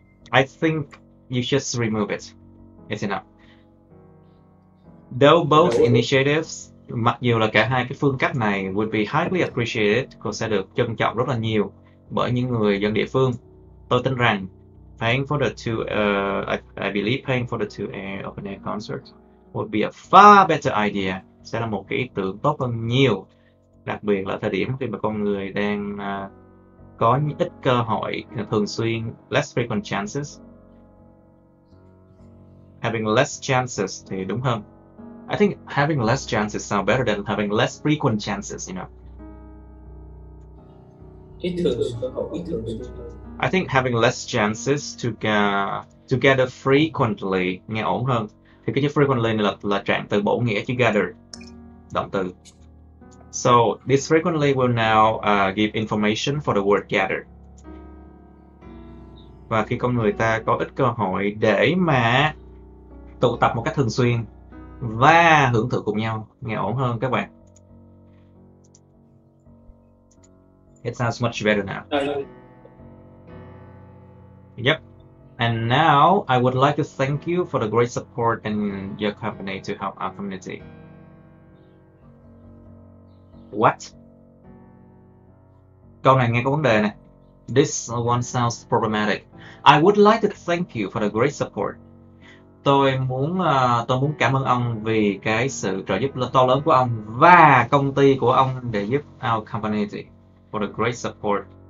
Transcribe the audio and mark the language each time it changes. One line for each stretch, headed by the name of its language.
English: I think you just remove it. It's enough. Though both initiatives,
Vietnamese: mặc dù là cả hai cái phương cách này
English: would be highly appreciated,
Vietnamese: cô sẽ được trân trọng rất là nhiều bởi những người dân địa phương. Tôi tin rằng
English: paying for the two, I believe paying for the two open air concerts would be a far better idea.
Vietnamese: Sẽ là một cái ý tưởng tốt hơn nhiều, đặc biệt là thời điểm khi mà con người đang có ít cơ hội thường xuyên,
English: less frequent chances, having less chances
Vietnamese: thì đúng hơn.
English: I think having less chances sound better than having less frequent chances, you know.
Vietnamese: Ít thường xuyên, ít thường xuyên.
English: I think having less chances together frequently
Vietnamese: nghe ổn hơn. Thì cái chữ frequently này là trạng từ bổ nghĩa chữ gather, động từ.
English: So this frequently will now give information for the word gather.
Vietnamese: Và khi con người ta có ít cơ hội để mà tụ tập một cách thường xuyên và hưởng thụ cùng nhau, nghe ổn hơn các bạn.
English: It sounds much better now. Yep. And now I would like to thank you for the great support and your company to help our community. What?
Vietnamese: Câu này nghe có vấn đề nè.
English: This one sounds problematic. I would like to thank you for the great support.
Vietnamese: Tôi muốn cảm ơn ông vì cái sự trợ giúp to lớn của ông và công ty của ông để giúp
English: our company for the great support.